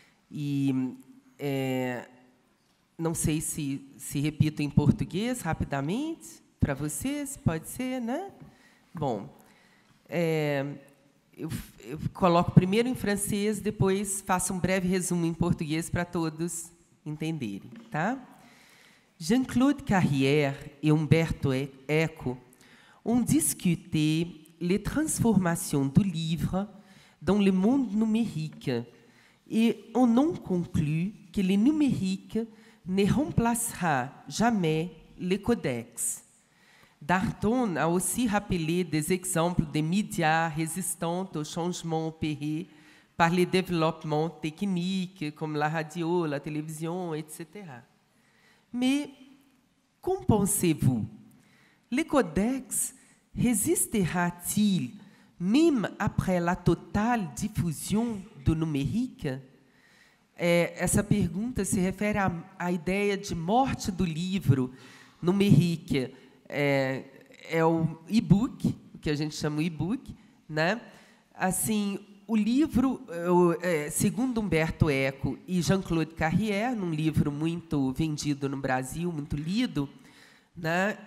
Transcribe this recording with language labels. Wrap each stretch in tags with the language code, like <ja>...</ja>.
<pt>E não sei se repito em português rapidamente para vocês, pode ser, né? Bom, eu coloco primeiro em francês, depois faço um breve resumo em português para todos entenderem, tá?</pt> <fr>Jean-Claude Carrière e Umberto Eco ont discuté les transformations du livre dans le monde numérique et en ont conclu que le numérique ne remplacera jamais les codex. Darton a aussi rappelé des exemples de médias résistants aux changements opérés par les développements techniques comme la radio, la télévision, etc. Mais qu'en pensez-vous? Les codex résistera-t-il même après la totale diffusion du numérique?</fr> <pt>Essa pergunta se refere à ideia de morte do livro numérique. É o e-book, que a gente chama o e-book, né? Assim, o livro, segundo Umberto Eco e Jean-Claude Carrière, num livro muito vendido no Brasil, muito lido, né?</pt>